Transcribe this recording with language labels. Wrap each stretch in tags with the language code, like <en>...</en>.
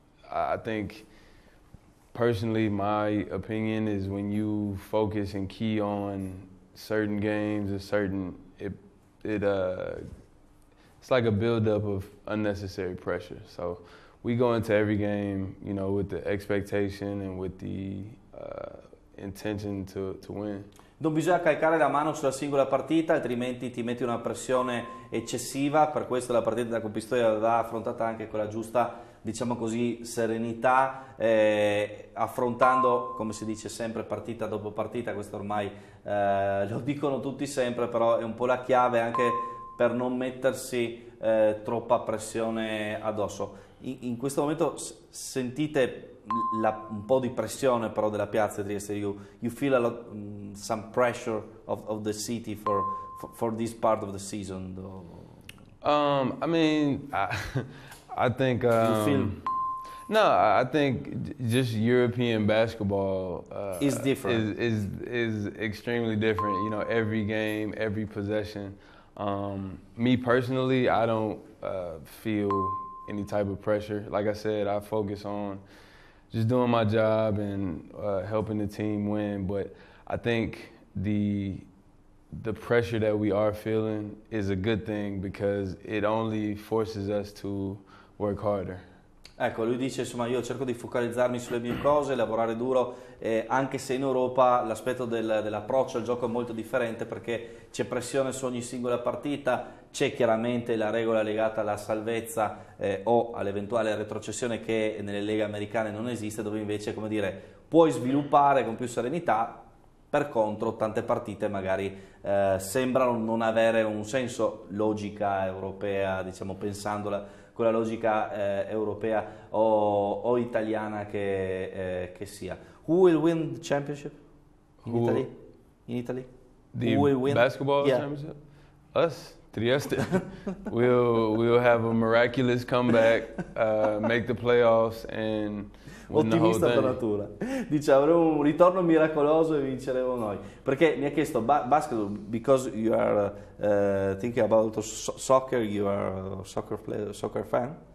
<en>I think personally my opinion is when you focus and key on certain games or certain it's like a buildup of unnecessary pressure. So we go into every game, you know, with the expectation and with the intention to win.</en> <it>Non bisogna calcare la mano sulla singola partita, altrimenti ti metti una pressione eccessiva. Per questo la partita da Pistoia va affrontata anche con la giusta, diciamo così, serenità, affrontando, come si dice sempre, partita dopo partita. Questo ormai lo dicono tutti sempre, però è un po' la chiave anche per non mettersi troppa pressione addosso. In questo momento sentite un po' di pressione però della piazza di Trieste.</it> <en>You feel a lot some pressure of the city for this part of the season though. I think just European basketball is different, is extremely different, you know, every game, every possession. Me personally, I don't feel any type of pressure. Like I said, I focus on just doing my job and helping the team win. But I think the pressure that we are feeling is a good thing because it only forces us to work harder.</en> <it>Ecco, lui dice, insomma, io cerco di focalizzarmi sulle mie cose, lavorare duro, anche se in Europa l'aspetto dell'approccio al gioco è molto differente, perché c'è pressione su ogni singola partita, c'è chiaramente la regola legata alla salvezza o all'eventuale retrocessione che nelle leghe americane non esiste, dove invece, come dire, puoi sviluppare con più serenità. Per contro, tante partite magari sembrano non avere un senso, logica europea, diciamo, pensandola con la logica europea o italiana che sia.</it> <en>Who will win the championship in Italy? The Who will win? Basketball, yeah. Championship? Us, Trieste. we'll have a miraculous comeback, make the playoffs and win.</en> <it>Ottimista per natura. Dice, avremo un ritorno miracoloso e vinceremo noi. Perché mi ha chiesto,</it> <en>basketball, because you are thinking about soccer, you are a soccer player, soccer fan?</en>